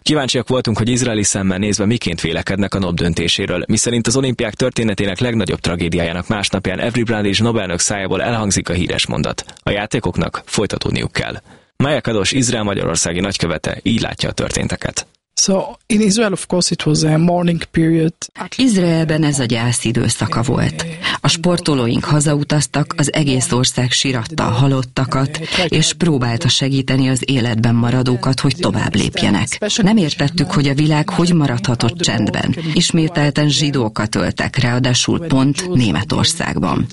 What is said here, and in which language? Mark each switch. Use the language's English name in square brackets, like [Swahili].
[Hungarian] Kíváncsiak voltunk, hogy izraeli szemmel nézve miként vélekednek a NOB döntéséről, miszerint az olimpiák történetének legnagyobb tragédiájának másnapján Avril Brundage Nobel-nök szájából elhangzik a híres mondat. A játékoknak folytatódniuk kell. Maya Kadosh, izrael magyarországi nagykövete így látja a történteket. [English] So in Israel, of course, it was a mourning period. [Hungarian] Izraelben ez a gyász időszaka volt. A sportolóink hazautaztak, az egész ország siratta a halottakat, és próbálta segíteni az életben maradókat, hogy tovább lépjenek. Nem értettük, hogy a világ hogy maradhatott csendben. Ismételten zsidókat öltek, ráadásul pont Németországban.